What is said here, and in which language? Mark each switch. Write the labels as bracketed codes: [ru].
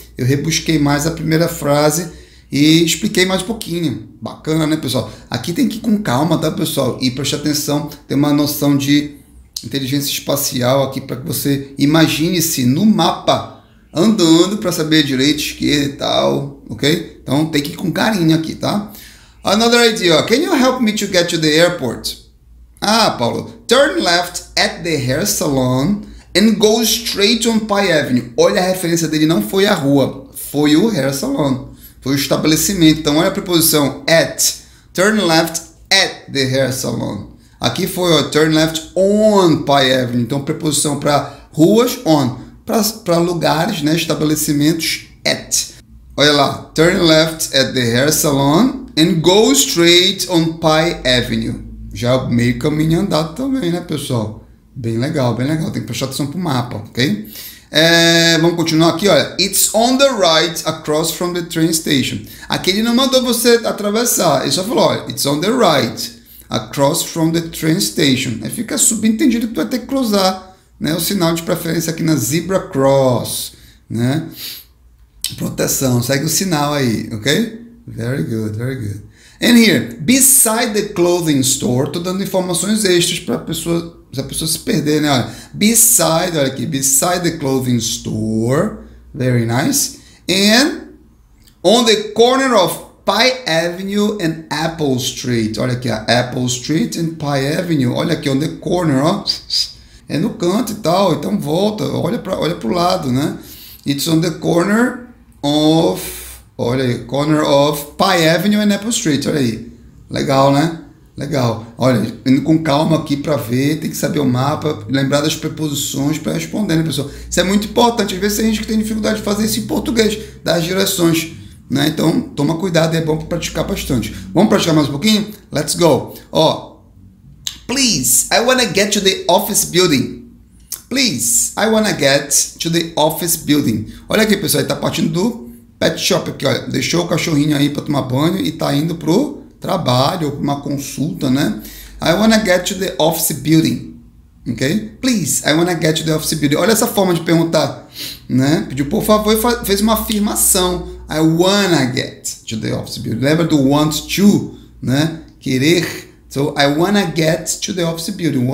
[pt] Eu rebusquei mais a primeira frase e expliquei mais um pouquinho. Bacana, né, pessoal? Aqui tem que ir com calma, tá, pessoal? E prestar atenção, ter uma noção de inteligência espacial aqui para que você imagine-se no mapa andando para saber direito, esquerda e tal, ok? Então tem que ir com carinho aqui, tá? [en] Another idea. Can you help me to get to the airport? Ah, Paulo. Turn left at the hair salon and go straight on Pi Avenue. [pt] Olha a referência dele, não foi a rua, foi o hair salon. Foi o estabelecimento. Então olha a preposição at. [en] Turn left at the hair salon. [pt] Aqui foi o [en] turn left on Pi Avenue. [pt] Então preposição para ruas, on. Para lugares, né, estabelecimentos, at. Olha lá, [en] turn left at the hair salon and go straight on Pi Avenue. [pt] Já meio caminho andado também, né, pessoal? Bem legal, bem legal. Tem que prestar atenção pro mapa, ok? Vamos continuar aqui, olha. [en] It's on the right across from the train station. [pt] Aqui ele não mandou você atravessar. Ele só falou, olha, [en] it's on the right across from the train station. [pt] Aí fica subentendido que tu vai ter que cruzar, né, o sinal de preferência aqui na Zebra Cross, né? Proteção, segue o sinal aí, ok? [en] Very good, very good. And here, beside the clothing store, [pt] tô dando informações extras para a pessoa se perder, né? [en] Olha, beside, [pt] olha aqui, [en] beside the clothing store, very nice. And On the corner of Pie Avenue and Apple Street. [pt] Olha aqui, Apple Street and Pie Avenue. Olha aqui, [en] on the corner, [pt] ó. É no canto e tal, então volta, olha pro lado, né? [en] It's on the corner of, [pt] olha aí, [en] corner of Pie Avenue and Apple Street, olha aí. [pt] Legal, né? Legal. Olha, indo com calma aqui para ver, tem que saber o mapa, lembrar das preposições para responder, né, pessoal? Isso é muito importante, às vezes tem gente que tem dificuldade de fazer isso em português, das direções, né? Então, toma cuidado, é bom praticar bastante. Vamos praticar mais um pouquinho? [en] Let's go. Ó, please, I want to get to the office building. Please, I want to get to the office building. [pt] Olha aqui, pessoal, ele tá partindo do pet shop aqui, olha. Deixou o cachorrinho aí para tomar banho e tá indo pro trabalho, uma consulta, né? [en] I want to get to the office building. Ok? Please, I want to get to the office building. [pt] Olha essa forma de perguntar, né? Pediu por favor e fez uma afirmação. [en] I want to get to the office building. [pt] Lembra do want to, né? Querer. [en] So, I want to get to the office building.